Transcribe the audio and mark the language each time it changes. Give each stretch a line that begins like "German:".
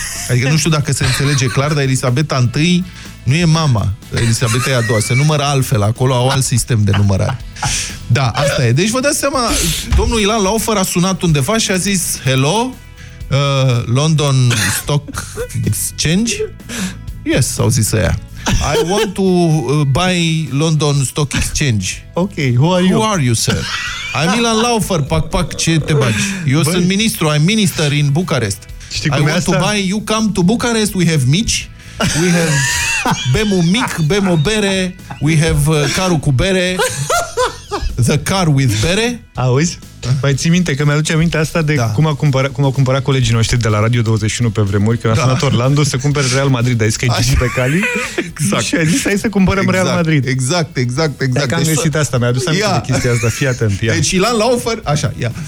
Romanian: Adică nu știu dacă se înțelege clar, dar Elisabeta I nu e mama Elisabetei a doua. Se numără altfel, acolo au alt sistem de numărare. Da, asta e. Deci vă dați seama, domnul Ilan Laufer a sunat undeva și a zis
English: hello,
Romanian: London Stock Exchange?
English: Yes,
Romanian: au zis aia.
English: I want to buy London Stock Exchange. Ok, who are you? Who are you, sir? I'm Ilan Laufer,
Romanian: pac, ce te bagi? Eu sunt ministru,
English: I'm minister in Bucharest.
Romanian: Știi cum
English: I want
Romanian: asta?
English: To buy, you come to Bucharest, we have mici, we have
Romanian: bem un mic, bem o bere,
English: we have
Romanian: carul cu bere,
English: the car with bere.
Romanian: Auzi? Mai ții minte, că mi-aduce aminte asta de cum au cumpărat colegii noștri de la Radio 21 pe vremuri, când a sunat Orlando să cumpere Real Madrid, a zis că e Gigi Becali. Exact. Și a zis, hai să cumpărăm Real Madrid. Exact. Dacă am găsit asta, mi-a adus aminte de chestia asta, fii atent. Ia. Deci Ilan Laufer, așa, ia.